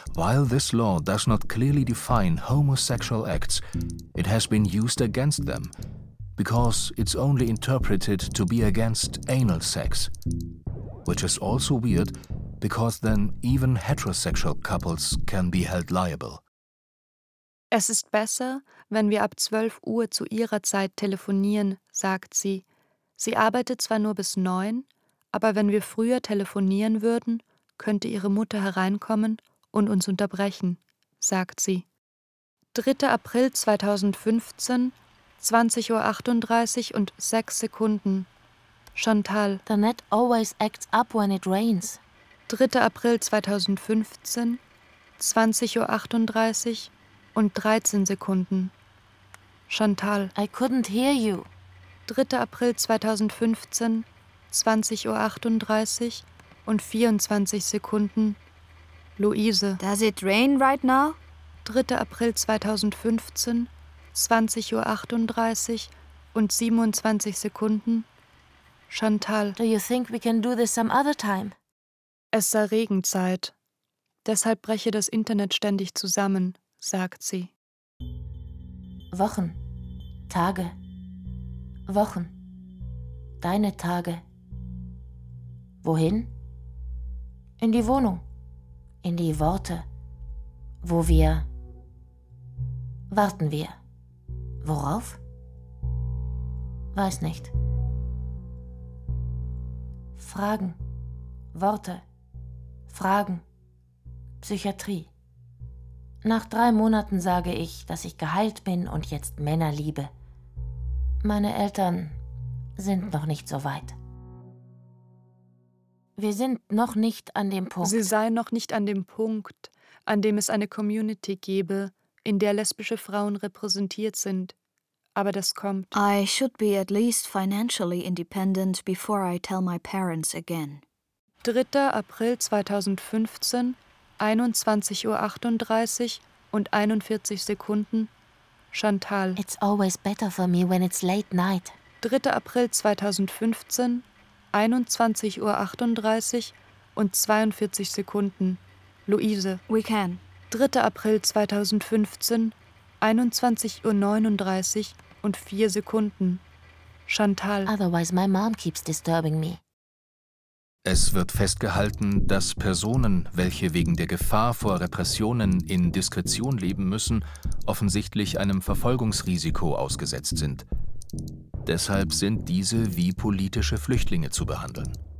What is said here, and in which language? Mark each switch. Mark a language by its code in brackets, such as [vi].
[en] While this law does not clearly define homosexual acts, it has been used against them because it's only interpreted to be against anal sex. Which is also weird, because then even heterosexual couples can be held liable. [de] Es ist besser, wenn wir ab 12 Uhr zu ihrer Zeit telefonieren, sagt sie. Sie arbeitet zwar nur bis 9, aber wenn wir früher telefonieren würden, könnte ihre Mutter hereinkommen und uns unterbrechen, sagt sie. 3. April 2015, 20:38:06. Chantal. [en] The net always acts up when it rains. [de] 3. April 2015, 20:38:13. Chantal. [en] I couldn't hear you. [de] 3. April 2015, 20:38:24. Luise. [en] Does it rain right now? [de] 3. April 2015, 20:38:27. Chantal. [en] Do you think we can do this some other time? [de] Es sei Regenzeit. Deshalb breche das Internet ständig zusammen, sagt sie. Wochen. Tage. Wochen. Deine Tage. Wohin? In die Wohnung. In die Worte. Wo wir... Warten wir. Worauf? Weiß nicht. Fragen, Worte, Fragen, Psychiatrie. Nach 3 Monaten sage ich, dass ich geheilt bin und jetzt Männer liebe. Meine Eltern sind noch nicht so weit. Wir sind noch nicht an dem Punkt. Sie seien noch nicht an dem Punkt, an dem es eine Community gäbe, in der lesbische Frauen repräsentiert sind. Aber das kommt. [en] I should be at least financially independent before I tell my parents again. [de] 3. April 2015, 21:38:41. Chantal. [en] It's always better for me when it's late night. [de] 3. April 2015, 21:38:42. Luise. [en] We can. [de] 3. April 2015, 21:39:04. Chantal. [en] Otherwise my mom keeps disturbing me. [de] Es wird festgehalten, dass Personen, welche wegen der Gefahr vor Repressionen in Diskretion leben müssen, offensichtlich einem Verfolgungsrisiko ausgesetzt sind. Deshalb sind diese wie politische Flüchtlinge zu behandeln.